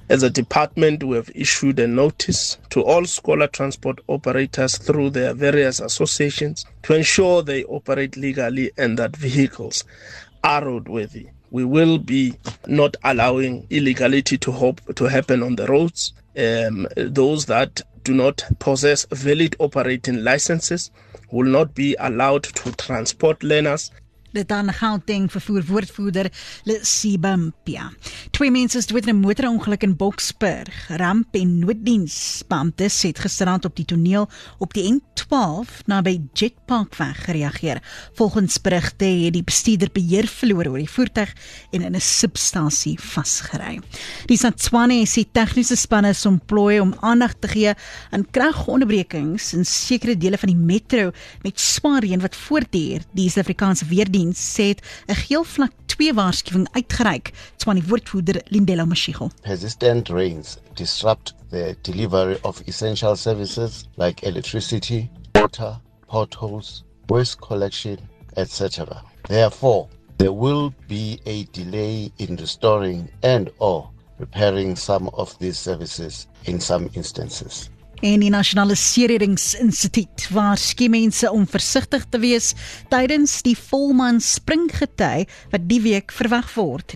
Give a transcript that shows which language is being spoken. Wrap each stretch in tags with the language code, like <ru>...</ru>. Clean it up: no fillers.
<en>As a department, we have issued a notice to all scholar transport operators through their various associations to ensure they operate legally and that vehicles are roadworthy. We will be not allowing illegality to happen on the roads. Those that do not possess valid operating licenses will not be allowed to transport learners.</en> <af>Dit aan Gauteng vervoer woordvoerder Lesibampia. Twee mense is dood in 'n motorongeluk in Boksburg. Ramp- en nooddiensbeamptes het gisterand op die toneel op die N12 naby Jet Parkweg gereageer. Volgens berigte het die bestuurder beheer verloor oor die voertuig en in 'n substasie vasgery. Die Satswane SA tegniese spanne is ontplooi om aandag te gee aan kragonderbrekings in sekere dele van die metro met swaar reën wat voortduur. Die Suid-Afrikaanse weer sê het 'n geel vlak 2 waarskuwing uitgereik, van die woordvoerder Lindela Mashigo.</af> <en>Persistent rains disrupt the delivery of essential services like electricity, water, potholes, waste collection, etc. Therefore, there will be a delay in restoring and or repairing some of these services in some instances.</en> <af>En die Nasionale Seereddingsinstituut waarsku mense om versigtig te wees tydens die volmaan springgety wat die week verwag word.</af>